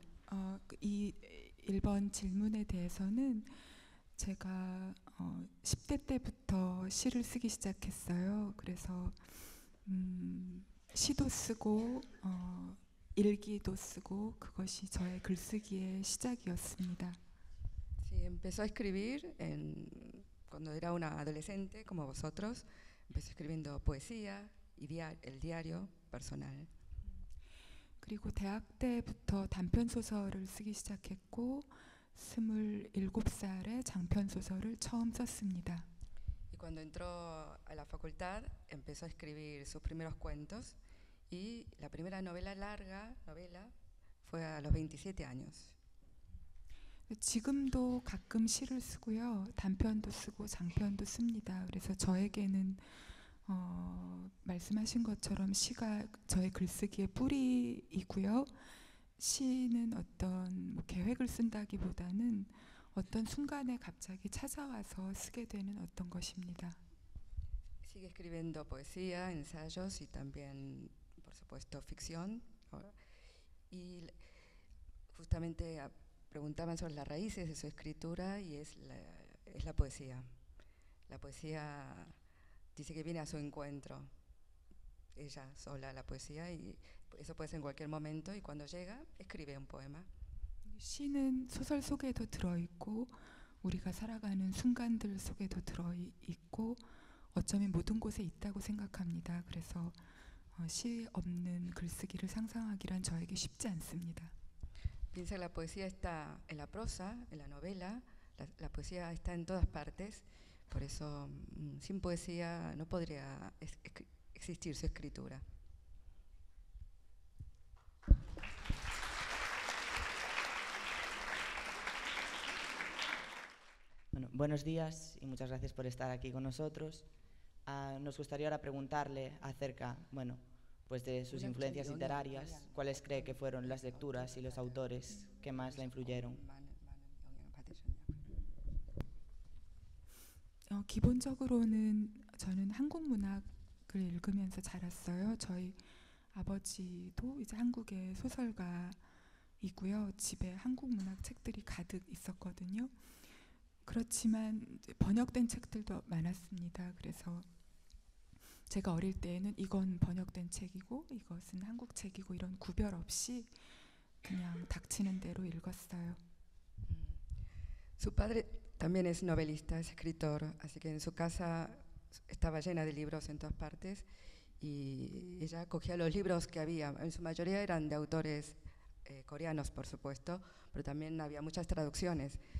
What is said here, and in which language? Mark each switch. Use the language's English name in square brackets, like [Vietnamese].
[Korean] (웃음) 이 1번 질문에 대해서는 제가 10대 때부터 시를 쓰기 시작했어요. 그래서 시도 쓰고 일기도 쓰고 그것이 저의 글쓰기의 시작이었습니다. [Spanish] Sí, empezó a escribir cuando era una adolescente como vosotros. Empezó escribiendo poesía y el diario personal. [Korean] 그리고 대학 때부터 단편 소설을 쓰기 시작했고 27살에 장편 소설을 처음 썼습니다. [Spanish] Y cuando entró a la facultad empezó a escribir sus primeros cuentos. Y la primera novela larga, novela, fue a los 27 años. [Korean] 지금도 가끔 시를 쓰고요. 단편도 쓰고 장편도 씁니다. 그래서 저에게는 말씀하신 것처럼 시가 저의 글쓰기의 뿌리이고요. 시는 어떤 계획을 쓴다기보다는 어떤 순간에 갑자기 찾아와서 쓰게 되는 어떤 것입니다. [Spanish] Sigue escribiendo poesía, ensayos y también por supuesto ficción. Y justamente preguntaban sobre las raíces de su escritura y es la poesía. La poesía dice que viene a su encuentro ella sola, la poesía, y eso puede ser en cualquier momento, y cuando llega escribe un poema. [Korean] 시는 소설 속에도 들어 있고 우리가 살아가는 순간들 속에도 들어 있고 어쩌면 모든 곳에 있다고 생각합니다. 그래서 시 없는 글쓰기를 상상하기란 저에게 쉽지 않습니다. [Spanish] Piensa que la poesía está en la prosa, en la novela, la poesía está en todas partes, por eso sin poesía no podría existir su escritura. Bueno, buenos días y muchas gracias por estar aquí con nosotros. Nos gustaría ahora preguntarle acerca, bueno, pues de sus influencias literarias, ¿cuáles cree que fueron las lecturas y los autores que más la influyeron? [Korean] 기본적으로는 저는 한국 문학을 읽으면서 자랐어요. 저희 아버지도 이제 한국의 소설가이고요. 집에 한국 문학 책들이 가득 있었거든요. 그렇지만 번역된 책들도 많았습니다. 그래서 제가 어릴 때에는 이건 번역된 책이고 이것은 한국 책이고 이런 구별 없이 그냥 닥치는 대로 읽었어요. [Spanish] Su padre también es novelista, es escritor, así que en su casa estaba llena de libros en todas partes y ella cogía los libros que había. En su mayoría eran de autores coreanos, por supuesto, pero también había muchas traducciones.